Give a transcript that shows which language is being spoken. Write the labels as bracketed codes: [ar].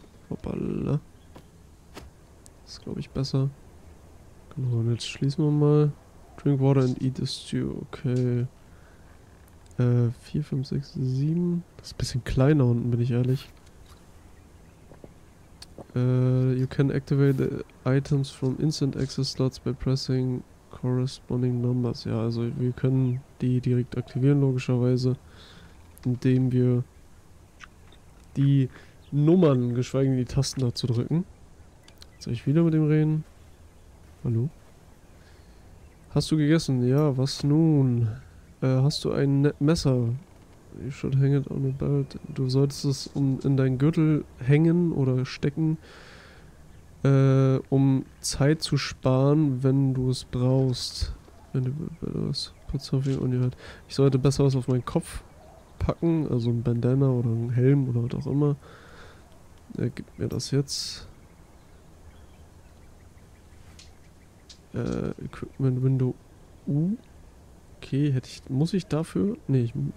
[de] Hoppala. Das ist glaube ich besser. Genau, und jetzt schließen wir mal. [en] Drink water and eat the stew. [de] Okay. 4, 5, 6, 7. Das ist ein bisschen kleiner unten, bin ich ehrlich. [en] You can activate the items from instant access slots by pressing corresponding numbers. [de] Ja, also wir können die direkt aktivieren, logischerweise. Indem wir die Nummern, geschweige denn die Tasten dazu drücken. Soll ich wieder mit dem reden? Hallo? Hast du gegessen? Ja, was nun? Hast du ein Messer? [en] You should hang it on your belt. [de] Du solltest es in deinen Gürtel hängen oder stecken, um Zeit zu sparen, wenn du es brauchst. Wenn du was [en] put something on your head. [de] Ich sollte besser was auf meinen Kopf packen, also ein Bandana oder ein Helm oder was auch immer. Gib mir das jetzt. Equipment Window U. Okay, muss ich dafür? Nee, ich.